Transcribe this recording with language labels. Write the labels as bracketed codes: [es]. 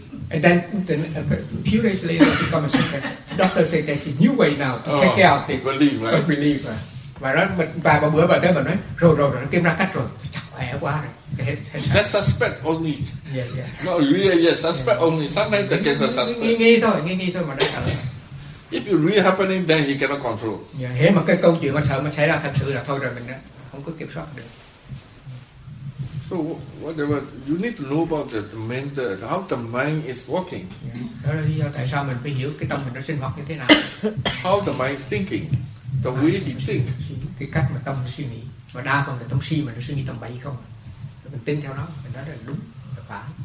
[en] And then a few days later, she comes and says, doctor says there's a new way now to take out this. Relief, right? [vi] But vài ba bữa bà tới bà nói, rồi, nó tìm ra cách rồi. Chắc khỏe quá rồi. [en] That's suspect only. Yeah. Not really, yes, suspect only. Sometimes the cancer suspect. [vi] Nghi thôi mà đã sợ. [en] If you really happening, then he cannot control. [vi] Yeah, thế mà cái câu chuyện mà sợ mà xảy ra thật sự là thôi rồi mình không có kiểm soát được. [en] So whatever you need to know about the mental, how the mind is working. Yeah. [vi] Đó là lý do tại sao mình phải hiểu cái tâm mình nó sinh hoạt như thế nào. [en] How the mind is thinking, the way he think. [vi] Cái cách mà tâm nó suy nghĩ, và đa phần là tâm si mà nó suy nghĩ tầm bậy không. Mình tin theo nó, mình nói là đúng, là phải.